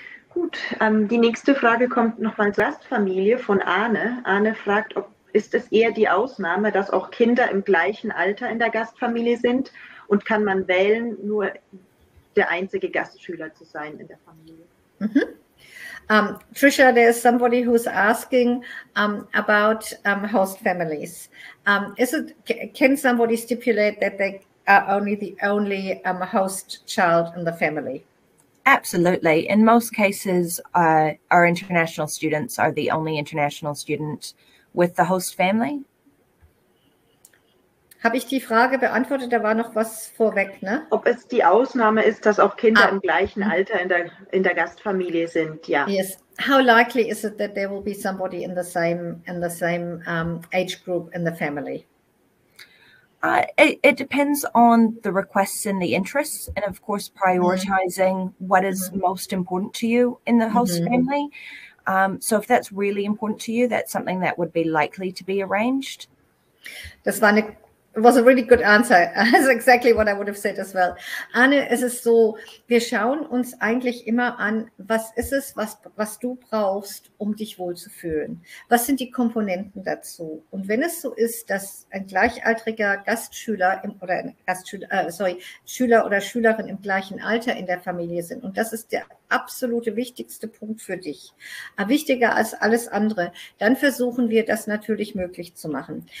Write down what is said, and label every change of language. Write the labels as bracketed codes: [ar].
[de] Gut, die nächste Frage kommt nochmal zur Gastfamilie von Arne. Arne fragt, ist es eher die Ausnahme, dass auch Kinder im gleichen Alter in der Gastfamilie sind und kann man wählen, nur der einzige Gastschüler zu sein in der Familie? Mm-hmm. [en] Trisha, there is somebody who's asking about host families. Can somebody stipulate that they are only the only host child in the family? Absolutely. In most cases, our international students are the only international student with the host family. [de] Habe ich die Frage beantwortet? Da war noch was vorweg, ne? Ob es die Ausnahme ist, dass auch Kinder im gleichen Alter in der Gastfamilie sind, ja. [en] Yes. How likely is it that there will be somebody in the same age group in the family? It depends on the requests and the interests and, of course, prioritizing what is most important to you in the host family. So if that's really important to you, that's something that would be likely to be arranged. It was a really good answer. That's exactly what I would have said as well. [de] Anne, es ist so, wir schauen uns eigentlich immer an, was ist es, was du brauchst, um dich wohlzufühlen? Was sind die Komponenten dazu? Und wenn es so ist, dass ein gleichaltriger Schüler oder Schülerin im gleichen Alter in der Familie sind, und das ist der absolute wichtigste Punkt für dich, wichtiger als alles andere, dann versuchen wir, das natürlich möglich zu machen.